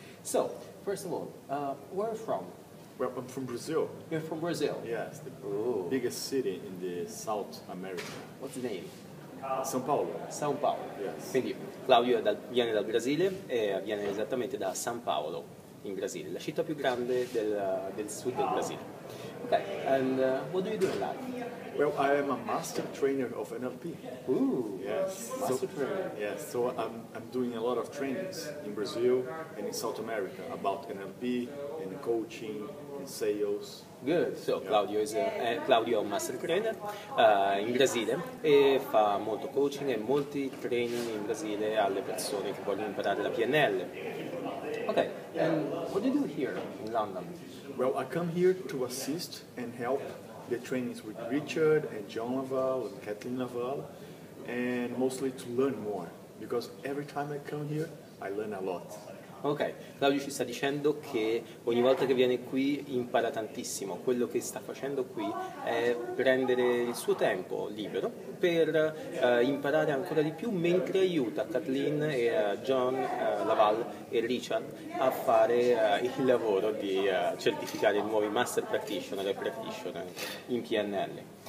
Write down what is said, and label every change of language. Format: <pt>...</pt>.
<en>So, first of all, where are you from? Well, I'm from Brazil. You're from Brazil? Yes, the biggest city in the South America. What's the name? São Paulo. São Paulo. Yes.</en> <it>Quindi Claudio viene dal Brasile e viene esattamente da São Paulo in Brasile, la città più grande del sud del Brasile.</it> <en>Okay, and what do you do in life? Well, I am a master trainer of NLP. Ooh. Yes. Master trainer. Yes. So I'm doing a lot of trainings in Brazil and in South America about NLP and coaching and sales. Good. So yeah.</en> <it>Claudio è un master trainer in Brasile e fa molto coaching e molti training in Brasile alle persone che vogliono imparare la PNL.</it> <en>Okay. Yeah. And what do you do here in London? Well, I come here to assist and help the trainings with Richard and John Laval and Kathleen Laval, and mostly to learn more, because every time I come here, I learn a lot.</en> <it>Ok, Claudio ci sta dicendo che ogni volta che viene qui impara tantissimo. Quello che sta facendo qui è prendere il suo tempo libero per imparare ancora di più, mentre aiuta Kathleen e John Laval e Richard a fare il lavoro di certificare i nuovi Master Practitioner e Practitioner in PNL.</it>